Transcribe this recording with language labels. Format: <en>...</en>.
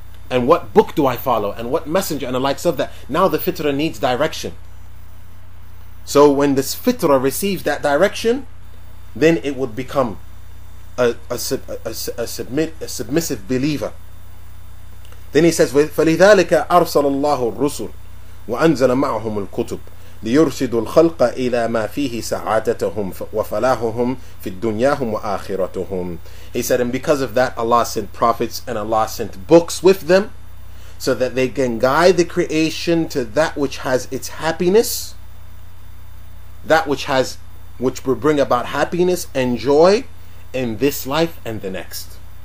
<en>And what book do I follow? And what messenger and the likes of that? Now the fitrah needs direction. So when this fitrah receives that direction, then it would become a submissive believer. Then he says,</en> <ar>فَلِذَٰلِكَ أَرْسَلَ اللَّهُ الرُّسُلُ وَأَنزَلَ مَعْهُمُ الْكُتُبُ لِيُرْشِدُوا الْخَلْقَ إِلَى مَا فِيهِ سَعَادَتَهُمْ وَفَلَاهُهُمْ فِي الدُّنْيَاهُمْ وَآخِرَتُهُمْ.</ar> <en>He said, and because of that, Allah sent prophets and Allah sent books with them so that they can guide the creation to that which has its happiness, that which has, which will bring about happiness and joy in this life and the next.</en>